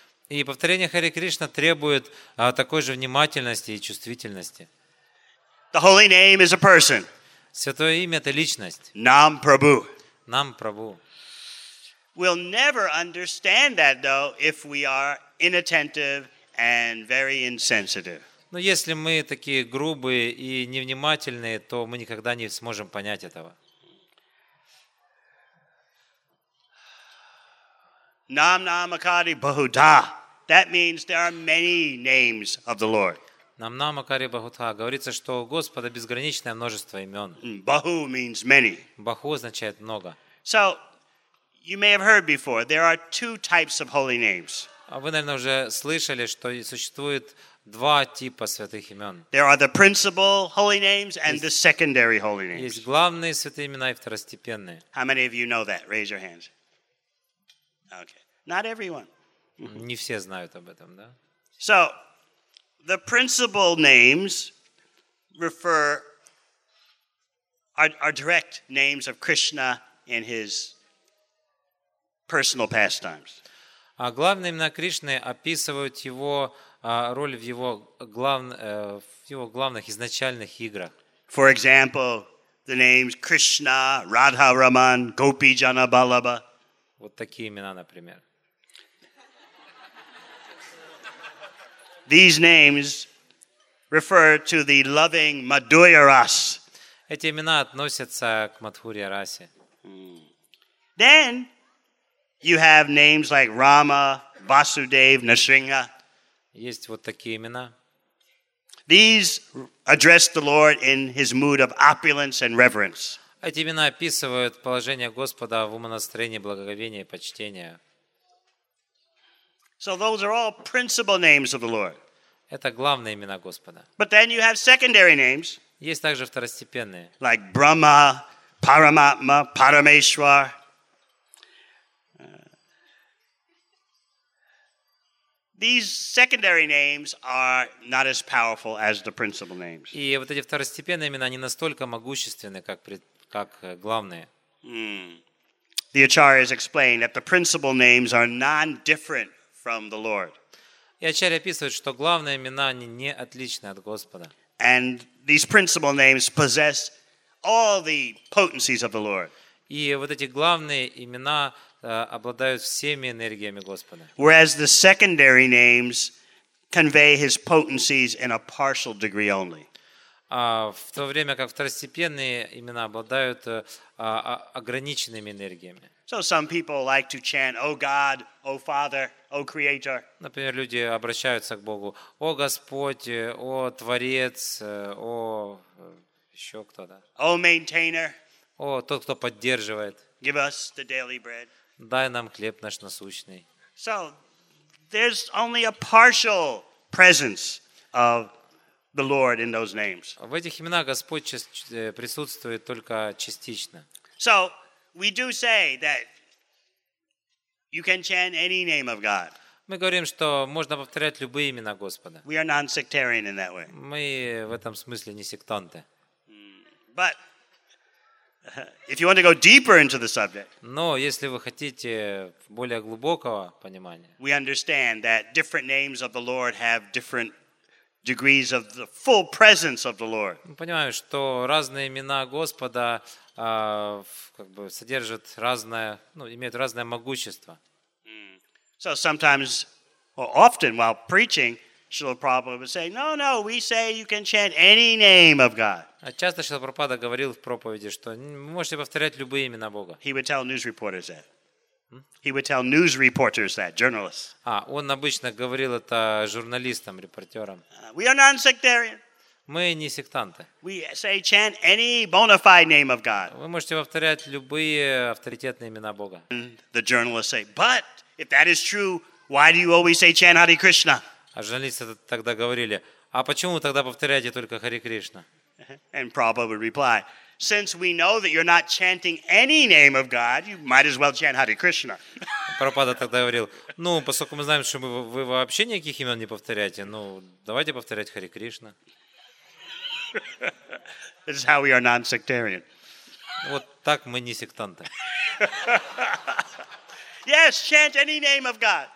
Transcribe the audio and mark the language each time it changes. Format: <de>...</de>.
<ru>И повторение Харе Кришна требует такой же внимательности и чувствительности.</ru> <en>The holy name is a person.</en> <ru>Святое имя – это личность.</ru> <sa>Нам Прабху. Нам Прабху.</sa> <en>We'll never understand that, though, if we are inattentive and very insensitive.</en> <ru>Но если мы такие грубые и невнимательные, то мы никогда не сможем понять этого.</ru> <sa>Нам нам акади бахуда.</sa> <en>That means there are many names of the Lord.</en> <sa>Намнамакари Бахута.</sa> <ru>Говорится, что у Господа безграничное множество имен.</ru> <en>Bahu means many.</en> <ru>Bahu означает много.</ru> <en>So, you may have heard before, there are two types of holy names.</en> <ru>Вы, наверное, уже слышали, что существует два типа святых имен.</ru> <en>There are the principal holy names and the secondary holy names.</en> <ru>Есть главные святые имена и второстепенные.</ru> <en>How many of you know that? Raise your hands. Okay. Not everyone.</en> <ru>Не все знают об этом, да?</ru> <en>So, the principal names refer are direct names of Krishna in his personal pastimes.</en> <ru>А главные имена Кришны описывают его роль в его главных изначальных играх.</ru> <en>For example, the names Krishna, Radha Raman, Gopi Jana Balaba.</en> <ru>Вот такие имена, например.</ru> <en>These names refer to the loving Madhurya Ras.</en> <ru>Эти имена относятся к Мадхурья Расе.</ru> <en>Then you have names like Rama, Vasudev, Narsingha.</en> <ru>Есть вот такие имена.</ru> <en>These address the Lord in his mood of opulence and reverence.</en> <ru>Эти имена описывают положение Господа в умонастроении благоговения и почтения.</ru> <en>So those are all principal names of the Lord.</en> <ru>Это главные имена Господа.</ru> <en>But then you have secondary names.</en> <ru>Есть также второстепенные.</ru> <en>Like Brahma, Paramatma, Parameshwar. These secondary names are not as powerful as the principal names.</en> <ru>И вот эти второстепенные имена не настолько могущественны, как главные.</ru> <en>The Acharyas explain that the principal names are non-different from the Lord.</en> <ru>И Ачарья описывает, что главные имена они не отличны от Господа.</ru> <en>And these principal names possess all the potencies of the Lord.</en> <ru>И вот эти главные имена обладают всеми энергиями Господа.</ru> <en>Whereas the secondary names convey his potencies in a partial degree only.</en> <ru>В то время как второстепенные имена обладают ограниченными энергиями.</ru> <en>So some people like to chant, "O God, O Father, O Creator."</en> <ru>Например, люди обращаются к Богу: "О Господь, о Творец, о еще кто-то."</ru> <en>"O Maintainer."</en> <ru>О тот, кто поддерживает.</ru> <en>"Give us the daily bread."</en> <ru>Дай нам хлеб наш насущный.</ru> <en>So there's only a partial presence of the Lord in those names.</en> <ru>В этих именах Господь присутствует только частично.</ru> <en>So we do say that you can chant any name of God.</en> <ru>Мы говорим, что можно повторять любые имена Господа.</ru> <en>We are non-sectarian in that way.</en> <ru>Мы в этом смысле не сектанты.</ru> <en>But if you want to go deeper into the subject,</en> <ru>но если вы хотите более глубокого понимания,</ru> <en>we understand that different names of the Lord have different degrees of the full presence of the Lord.</en> <ru>Мы понимаем, что разные имена Господа как бы содержат имеют разное могущество.</ru> <en>So sometimes, or often while preaching, Шрила Прабхупада would say, no, no, we say you can chant any name of God.</en> <ru>А часто Шрила Прабхупада говорил в проповеди, что вы можете повторять любые имена Бога.</ru> <en>He would tell news reporters that. He would tell news reporters that, journalists.</en> <ru>А, он обычно говорил это журналистам, репортерам.</ru> <en>We are non-sectarian.</en> <ru>Мы не сектанты.</ru> <en>We say chant any bona fide name of God.</en> <ru>Вы можете повторять любые авторитетные имена Бога.</ru> <en>And the journalists say, but if that is true, why do you always say chant Hare Krishna?</en> <ru>А журналисты тогда говорили, а почему вы тогда повторяете только Hare Krishna?</ru> <en>And Prabhupada would reply, since we know that you're not chanting any name of God, you might as well chant Hare Krishna.</en> <ru>Прабхупада тогда говорил, ну, поскольку мы знаем, что вы вообще никаких имен не повторяете, ну, давайте повторять Hare Krishna.</ru> <en>This is how we are non-sectarian.</en> <ru>Вот так мы не сектанты.</ru> <en>Yes, chant any name of God.</en>